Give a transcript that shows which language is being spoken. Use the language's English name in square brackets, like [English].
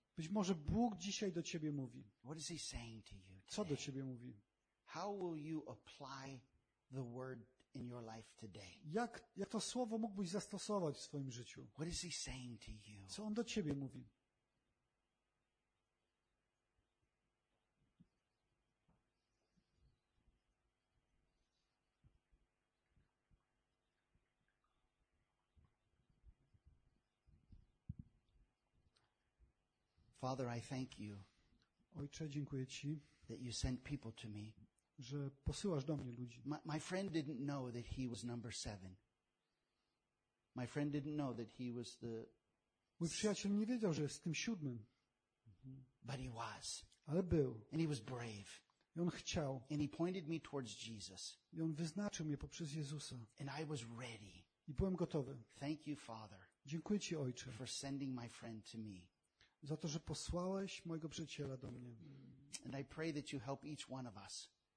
[Polish] Być może Bóg dzisiaj do ciebie mówi. [English] What is he saying to you today? [Polish] Co do ciebie mówi? [English] How will you apply the word in your life today? [Polish] Jak to słowo mógłbyś zastosować w swoim życiu? [English] What is he saying to you? [Polish] Co on do ciebie mówi? [English] Father, I thank you. [Polish] Ojcze, dziękuję ci. [English] That you sent people to me. [Polish] Że posyłasz do mnie ludzi. [English] My friend didn't know that he was number seven. My friend didn't know that he was the. [Polish] Mój przyjaciel nie wiedział, że jest tym siódmym. [English] But he was. [Polish] Ale był. [English] And he was brave. [Polish] I on chciał. [English] And he pointed me towards Jesus. [Polish] I on wyznaczył mnie poprzez Jezusa. [English] And I was ready. [Polish] I byłem gotowy. [English] Thank you, Father. [Polish] Dziękuję ci, Ojcze. [English] For sending my friend to me. [Polish] Za to, że posłałeś mojego przyjaciela do mnie. [English] And I pray that you help each one of us.